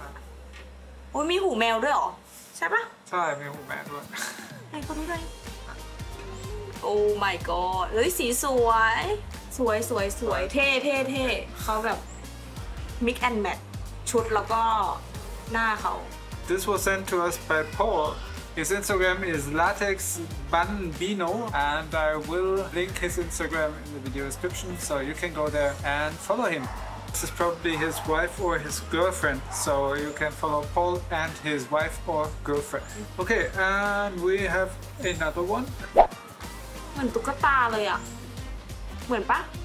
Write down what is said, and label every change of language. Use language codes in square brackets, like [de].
[th] โอ้ยมีหูแมวด้วยเหรอใช่ป่ะ ใช่มีหูแมวด้วย ไอ้คนนี้เลยโอ้ my god เฮ้ยสีสวยสวยสวยสวยเท่เท่เท่เขาแบบ mix and match ชุดแล้วก็หน้าเขา [en] This was sent to us by Paul His Instagram is latexbanbino and I will link his Instagram in the video description so you can go there and follow him. This is probably his wife or his girlfriend so you can follow Paul and his wife or girlfriend. Okay, and we have another one. [th] เหมือนตุ๊กตาเลยอ่ะเหมือนปะ